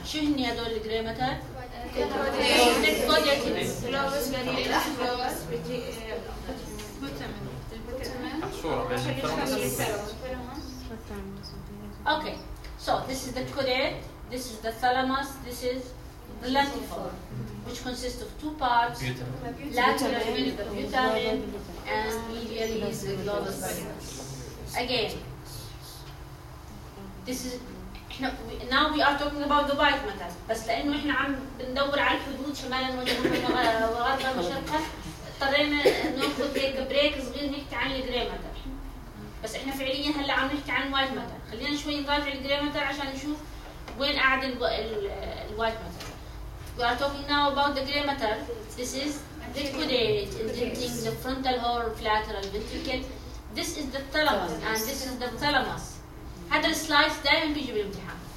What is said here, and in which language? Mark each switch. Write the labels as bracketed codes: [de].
[ar] شو هني هذول الجري ماتر؟ [en] Okay, so this is the colloid, this is the thalamus, this is the lentiform, which consists of two parts, laterally the putamen, and medially is the globus pallidus. Again, this is, now we are talking about the white matter, [ar] بس لأنه إحنا عم بندور على الحدود شمالا وغربا وشرقا اضطرينا ناخذ هيك بريك صغير نحكي عن الجري ماتر. بس احنا فعليا هلا عم نحكي عن الوايت ماتر. خلينا شوي نراجع الجري ماتر عشان نشوف وين قاعد الوايت ماتر. [en] We are talking now about the gray matter. This is the coded indenting the frontal or lateral ventricle. This is the thalamus and this is the thalamus. [ar] هذا السلايس دائما بيجي بالامتحان.